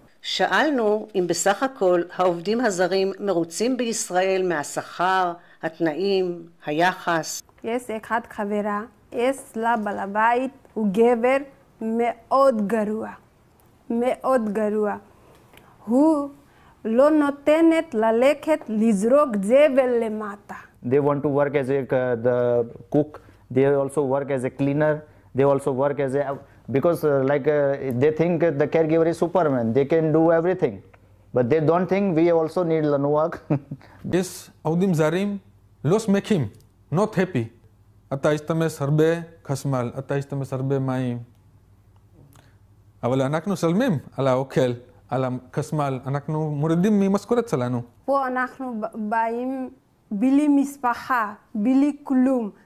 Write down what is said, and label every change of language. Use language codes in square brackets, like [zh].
[he] שאלנו אם בסך הכל העובדים הזרים מרוצים בישראל מהשכר, התנאים, היחס. יש אחד חברה, יש לה בעל הבית, הוא גבר מאוד גרוע. מאוד גרוע. הוא לא נותנת ללכת לזרוק זבל למטה. [en] They want to work as a the cook, they also work as a cleaner, they also work as a because like they think the caregiver is superman, they can do everything, but they don't think we also need lanu work. [he] This עובדים זרים לא שמחים, [en] not happy. [he] אתה השתמש הרבה חשמל, אתה השתמש הרבה מים, אבל אנחנו שלמים על האוכל, על הקסמל, אנחנו מורידים ממשכורת שלנו. פה אנחנו באים בלי משפחה, בלי כלום.